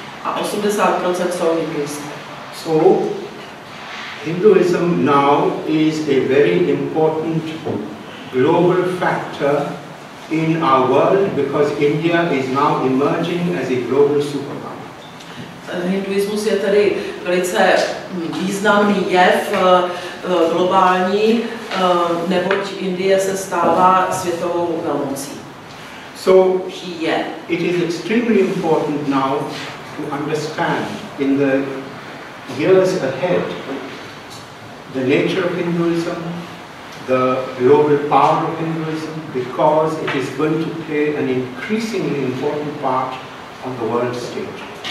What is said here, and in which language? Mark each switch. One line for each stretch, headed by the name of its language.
Czech: A 80% jsou hinduisté.
English: So Hinduism now is a very important global factor in our world because India is now emerging as a global superpower.
Czech: Hinduismus je tedy velice významný jev globální, neboť Indie se stává světovou velmocí.
English: So it is extremely important now to understand in the years ahead the nature of Hinduism, the global power of Hinduism, because it is going to play an increasingly important part on the world stage.